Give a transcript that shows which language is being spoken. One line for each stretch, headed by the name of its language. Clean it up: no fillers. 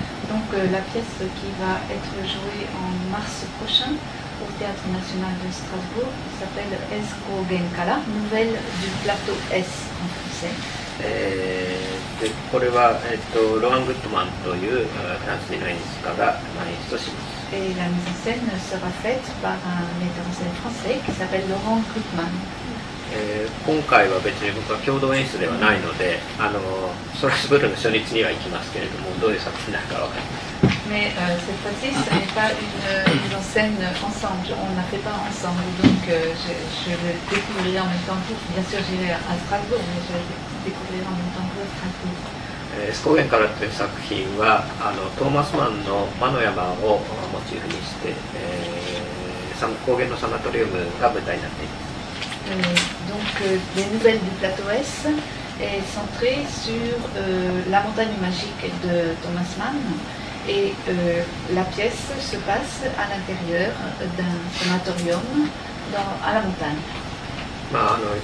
French: Donc la pièce qui va être jouée en mars prochain au Théâtre National de Strasbourg s'appelle Esko Genkara, nouvelle du plateau S en français. Et la mise en scène sera faite par un metteur en scène français qui s'appelle Laurent Gutmann.
Japanese: 今回は別に僕は共同演出ではないので、ストラスブールの初日には行きますけれども、どういう作品なのか分かりません。
French: Mais cette fois-ci, ce n'est pas une mise en scène ensemble. On n'a fait pas ensemble, donc je le découvrirai en même temps que vous. Bien sûr, j'irai à Strasbourg, mais je le découvrirai en même temps que vous à Strasbourg.
Japanese: S 光源からという作品は、トーマス・マンの魔の山をモチーフにして、光源のサナトリウムが舞台になっています。
French: Donc, les nouvelles du plateau S est centrée sur la montagne magique de Thomas Mann et la pièce se passe à l'intérieur d'un sanatorium à la montagne.